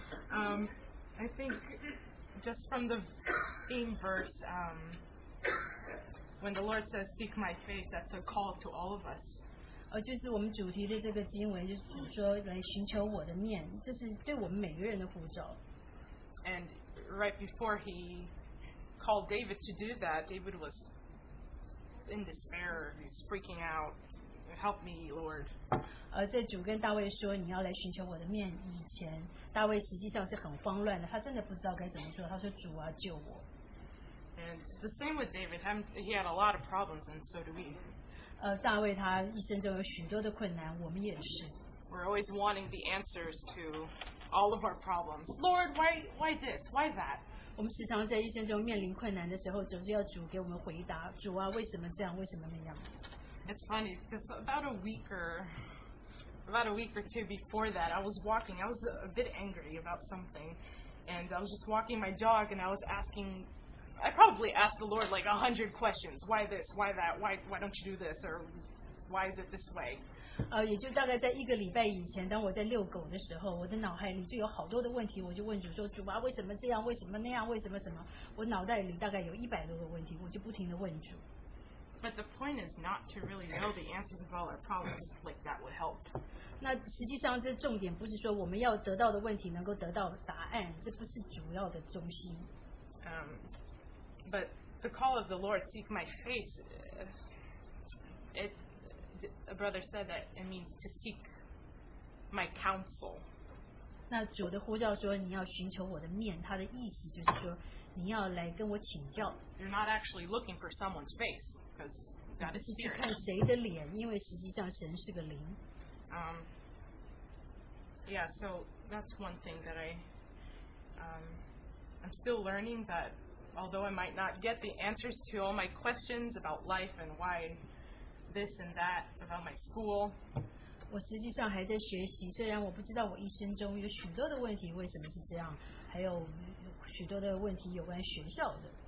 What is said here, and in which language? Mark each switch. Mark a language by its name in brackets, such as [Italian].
[English] I think just from the theme verse, when the Lord says, "Seek my face," that's a call to all of us. [Chinese] 就是我们主题的这个经文，就是说来寻求我的面，这是对我们每个人的呼召。 [English] And right before he called David to do that, David was in despair. He's freaking out. Help me, Lord. [Chinese] 在主跟大卫说你要来寻求我的面以前，大卫实际上是很慌乱的，他真的不知道该怎么做。他说：“主啊，救我。” [English] And it's the same with David. He had a lot of problems, and so do we. [Chinese] 大卫他一生中有许多的困难，我们也是。 [English] We're always wanting the answers to all of our problems. Lord, why this? Why that? [Chinese] 我们时常在一生中面临困难的时候，总是要主给我们回答：“主啊，为什么这样？为什么那样？” [English] It's funny because about a week or two before that, I was walking. I was a bit angry about something, and I was just walking my dog, and I was asking. I probably asked the Lord like 100 questions. Why this? Why that? Why don't you do this? Or why is it this way? [Chinese] 也就大概在一个礼拜以前，当我在遛狗的时候，我的脑海里就有好多的问题，我就问主说：“主啊，为什么这样？为什么那样？为什么什么？” 我脑袋里大概有100多个问题，我就不停的问主。 [English] But the point is not to really know the answers of all our problems like that would help. [Chinese] 那实际上这重点不是说我们要得到的问题能够得到答案，这不是主要的中心。 [English] But the call of the Lord, seek my face, a brother said that it means to seek my counsel. [Chinese] 那主的呼召说你要寻求我的面，他的意思就是说你要来跟我请教。 [English] You're not actually looking for someone's face. God is spirit. [Chinese] 去看谁的脸，因为实际上神是个灵。 [English] Yeah, so that's one thing that I'm still learning. That although I might not get the answers to all my questions about life and why this and that about my school, [Chinese] 我实际上还在学习。虽然我不知道我一生中有许多的问题为什么是这样，还有许多的问题有关学校的。